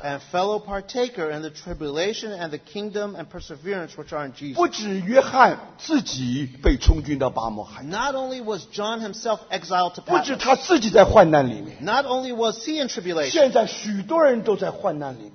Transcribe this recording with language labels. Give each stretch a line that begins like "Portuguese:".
English: and fellow partaker in the tribulation and the kingdom and perseverance which are in Jesus.
Chinese: 不止约翰自己被充军到巴摩海,
English: not only was John himself exiled to Patmos,
Chinese: 不止他自己在患难里面,
English: not only was he in tribulation,
Chinese: 现在许多人都在患难里面,